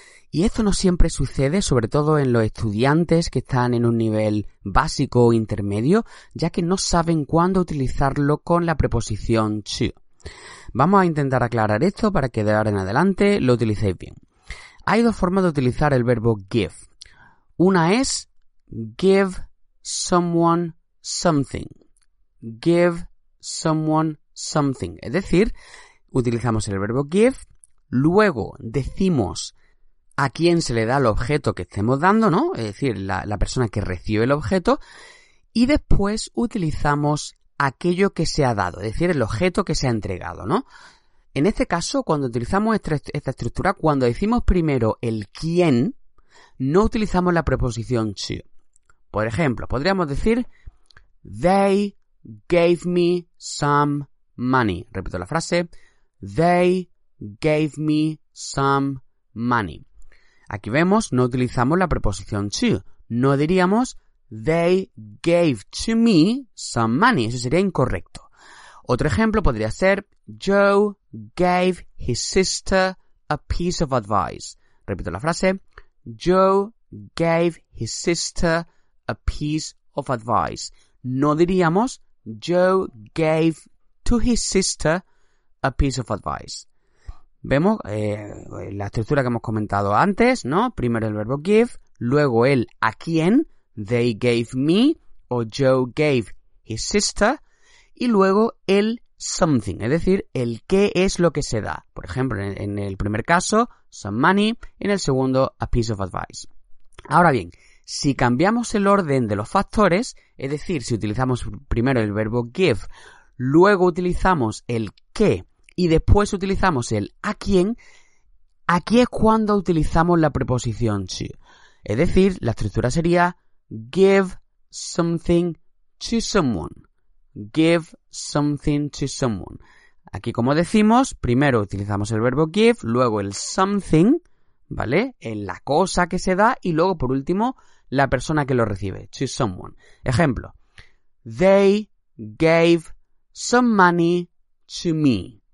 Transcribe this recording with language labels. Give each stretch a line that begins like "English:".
Spanish: Y esto no siempre sucede, sobre todo en los estudiantes que están en un nivel básico o intermedio, ya que no saben cuándo utilizarlo con la preposición to. Vamos a intentar aclarar esto para que de ahora en adelante lo utilicéis bien. Hay dos formas de utilizar el verbo give. Una es
English: give someone something. Give someone something.
Spanish: Es decir, utilizamos el verbo give, luego decimos a quién se le da el objeto que estemos dando, ¿no? Es decir, la persona que recibe el objeto, y después utilizamos aquello que se ha dado, es decir, el objeto que se ha entregado, ¿no? En este caso, cuando utilizamos esta estructura, cuando decimos primero el quién, no utilizamos la preposición to. Por ejemplo, podríamos decir:
English: they gave me some money.
Spanish: Repito la frase.
English: They gave me some money.
Spanish: Aquí vemos, no utilizamos la preposición to. No diríamos
English: they gave to me some money.
Spanish: Eso sería incorrecto. Otro ejemplo podría ser:
English: Joe gave his sister a piece of advice.
Spanish: Repito la frase.
English: Joe gave his sister a piece of advice.
Spanish: No diríamos
English: Joe gave to his sister a piece of advice.
Spanish: Vemos la estructura que hemos comentado antes, ¿no? Primero el verbo give, luego el a quién,
English: they gave me
Spanish: o
English: Joe gave his sister,
Spanish: y luego el something, es decir, el qué es lo que se da. Por ejemplo, en el primer caso,
English: some money,
Spanish: en el segundo,
English: a piece of advice.
Spanish: Ahora bien, si cambiamos el orden de los factores, es decir, si utilizamos primero el verbo give, luego utilizamos el qué y después utilizamos el a quién, aquí es cuando utilizamos la preposición to. Es decir, la estructura sería
English: give something to someone. Give something to someone.
Spanish: Aquí, como decimos, primero utilizamos el verbo give, luego el something, ¿vale? En la cosa que se da y luego, por último, la persona que lo recibe,
English: to someone.
Spanish: Ejemplo:
English: they gave some money to me.